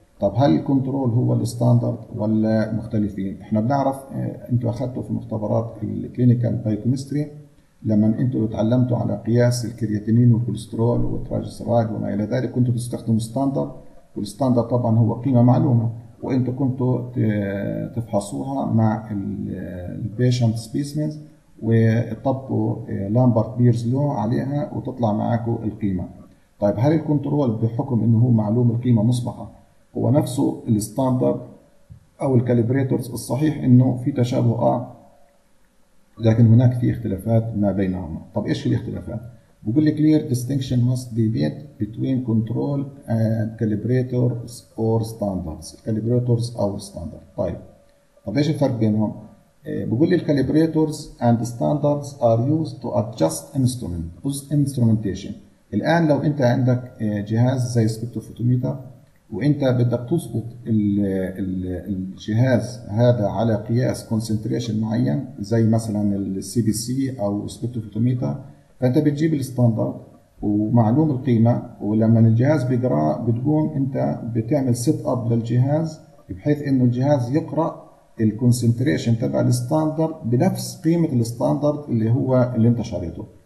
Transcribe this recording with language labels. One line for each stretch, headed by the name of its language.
Arabic: طب هل الكنترول هو الستاندرد ولا مختلفين؟ احنا بنعرف انتوا اخذتوا في مختبرات الكلينيكال بايوكيمستري لما انتوا اتعلمتوا على قياس الكرياتينين والكوليسترول والتراجلسيرايد وما الى ذلك، كنتوا بتستخدموا ستاندرد، والستاندرد طبعا هو قيمة معلومة، وانتوا كنتوا تفحصوها مع البيشنت سبيسيمنز وتطبقوا لامبرت بيرز لو عليها وتطلع معاكوا القيمة. طيب هل الكنترول بحكم انه هو معلوم القيمة مسبقة هو نفسه الستاندرد او الكاليبريتورز؟ الصحيح انه في تشابه لكن هناك في اختلافات ما بينهما. طب ايش الاختلافات؟ بقول لك
English: clear distinction must be made between control and calibrators or standards. calibrators أو standards.
Arabic: طيب إيش الفرق بينهم؟ بقول لك
English: calibrators and standards are used to adjust instrument. instrumentation.
Arabic: الآن لو أنت عندك جهاز زي spectrophotometer وأنت بدك تضبط الجهاز هذا على قياس concentration معين زي مثلاً CBC أو spectrophotometer، فانت بتجيب الستاندرد ومعلوم القيمه، ولما الجهاز بيقرا بتقوم انت بتعمل سيت اب للجهاز بحيث انه الجهاز يقرا الكونسنتريشن تبع الستاندرد بنفس قيمه الستاندرد اللي هو اللي انت شريته.